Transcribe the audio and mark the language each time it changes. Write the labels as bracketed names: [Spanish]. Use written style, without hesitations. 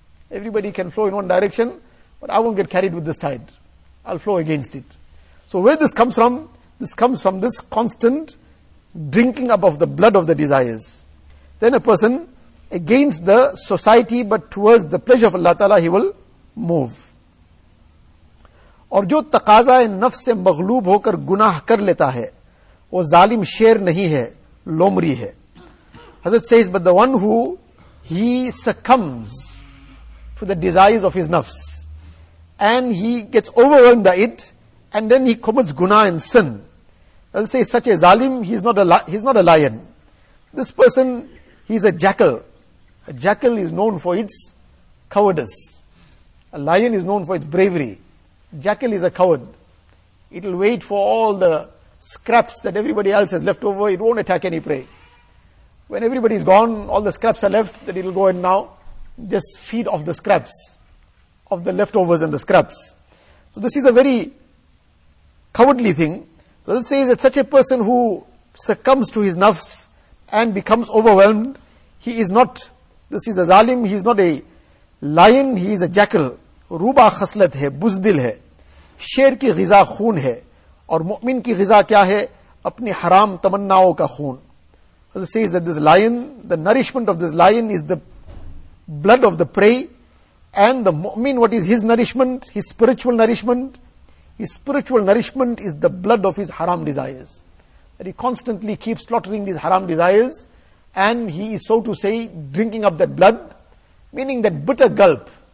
[English] Everybody can flow in one direction, but I won't get carried with this tide. I'll flow against it. So where this comes from? This comes from this constant drinking up of the blood of the desires. Then a person, against the society but towards the pleasure of Allah Ta'ala, he will move. [Urdu] اور جو تقاضہ نفس سے مغلوب ہو کر گناہ کر لیتا ہے وہ ظالم شیر نہیں ہے لومری ہے. [English] حضرت says, but the one who he succumbs to the desires of his nafs and he gets overwhelmed by it and then he commits guna and sin, حضرت says, such a ظالم, he's not a lion. This person, he's a jackal. A jackal is known for its cowardice. A lion is known for its bravery. Jackal is a coward. It will wait for all the scraps that everybody else has left over. It won't attack any prey. When everybody is gone, all the scraps are left, then it will go in now. Just feed off the scraps, of the leftovers and the scraps. So this is a very cowardly thing. So it says that such a person who succumbs to his nafs and becomes overwhelmed, he is not, this is a zalim, he is not a lion, he is a jackal. [Urdu] روبا خصلت ہے, بزدل ہے, شیر کی غذا خون ہے, اور مؤمن کی غذا کیا ہے؟ اپنی حرام تمناؤں کا خون. [English] It says that this lion, the nourishment of this lion is the blood of the prey, and the mu'min, what is his nourishment? His spiritual nourishment. His spiritual nourishment is the blood of his haram desires. That he constantly keeps slaughtering these haram desires, and he is, so to say, drinking up that blood, meaning that bitter gulp.